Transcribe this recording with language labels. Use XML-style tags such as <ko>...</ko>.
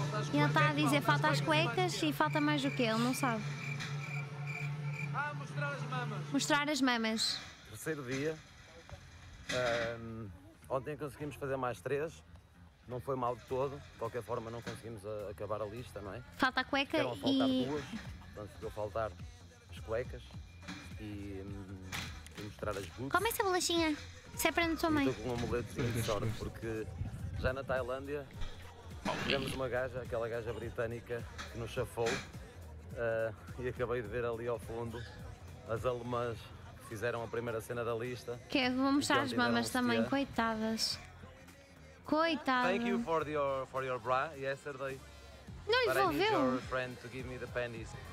<pt>E ele está a dizer falta as cuecas e falta mais o quê? Ele não sabe. Ah, mostrar as mamas. Mostrar as mamas. Terceiro dia. Ontem conseguimos fazer mais três. Não foi mal de todo. De qualquer forma, não conseguimos acabar a lista, não é? Falta a cueca e... duas. Portanto, ficou a faltar as cuecas e mostrar as boots. Come essa bolachinha. Se é para a tua mãe. Estou com um amuletozinho de sorte, porque já na Tailândia... Tivemos uma gaja, aquela gaja britânica, que nos chafou e acabei de ver ali ao fundo as alemãs que fizeram a primeira cena da lista. Que é, vou mostrar as mamas também, coitadas. Coitadas.</pt> <en>Thank you for your bra yesterday.</en> <pt>Não lhe vou ver.</pt> <en>I need your friend to give me the panties.</en>